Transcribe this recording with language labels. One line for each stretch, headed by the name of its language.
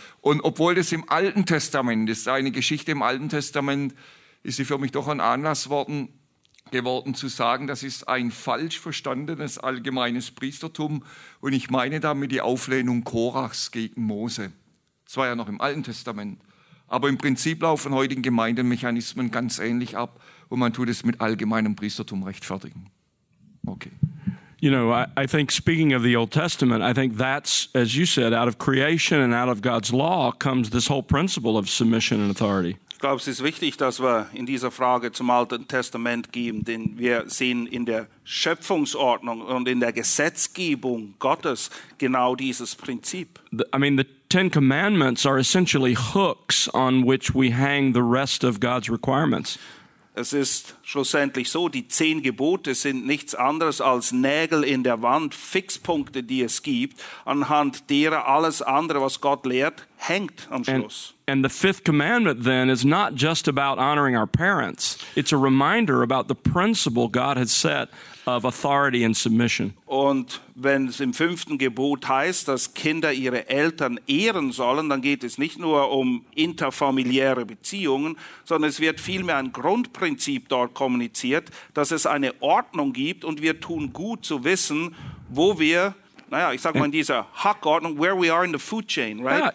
German: Und obwohl das im Alten Testament ist, eine Geschichte im Alten Testament, ist sie für mich doch ein Anlass geworden zu sagen, das ist ein falsch verstandenes allgemeines Priestertum. Und ich meine damit die Auflehnung Korachs gegen Mose. Das war ja noch im Alten Testament. Aber im Prinzip laufen heutigen Gemeindemechanismen ganz ähnlich ab und man tut es mit allgemeinem Priestertum rechtfertigen. Okay.
English: You know, I think speaking of the Old Testament, I think that's, as you said, out of creation and out of God's law comes this whole principle of submission and authority.
German: Ich glaube, es ist wichtig, dass wir in dieser Frage zum Alten Testament gehen, denn wir sehen in der Schöpfungsordnung und in der Gesetzgebung Gottes genau dieses Prinzip.
English: The Ten Commandments are essentially hooks on which we hang the rest of God's requirements.
German: Es ist schlussendlich so, die zehn Gebote sind nichts anderes als Nägel in der Wand, Fixpunkte, die es gibt, anhand derer alles andere, was Gott lehrt, hängt am Schluss.
English: And the fifth commandment then is not just about honoring our parents. It's a reminder about the principle God has set of authority and submission.
German: Und wenn es im fünften Gebot heißt, dass Kinder ihre Eltern ehren sollen, dann geht es nicht nur um interfamiliäre Beziehungen, sondern es wird vielmehr ein Grundprinzip dort kommuniziert, dass es eine Ordnung gibt und wir tun gut zu wissen, wo wir in dieser Hackordnung,
English: where we are in the food chain, right?